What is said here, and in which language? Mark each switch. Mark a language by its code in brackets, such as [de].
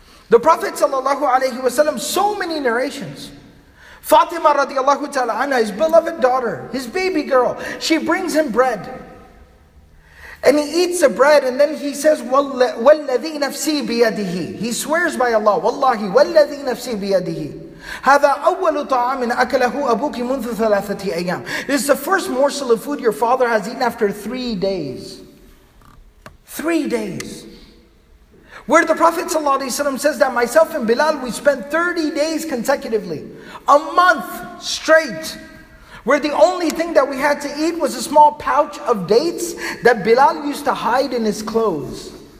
[en] The Prophet sallallahu alaihi wasallam, so many narrations. Fatima radiallahu ta'ala anha, his beloved daughter, his baby girl, she brings him bread. And he eats the bread, and then he says, [ar] وَالَّذِي نَفْسِي بِيَدِهِ. [en] He swears by Allah, [ar] وَاللَّهِ وَالَّذِي نَفْسِي بِيَدِهِ. هَذَا أَوَّلُ طَعَامٍ أَكَلَهُ أَبُوكِ مُنْذُ ثَلَاثَةِ أَيَّامٍ. [en] This is the first morsel of food your father has eaten after 3 days. 3 days. Where the Prophet ﷺ says that myself and Bilal, we spent 30 days consecutively, a month straight, where the only thing that we had to eat was a small pouch of dates that Bilal used to hide in his clothes.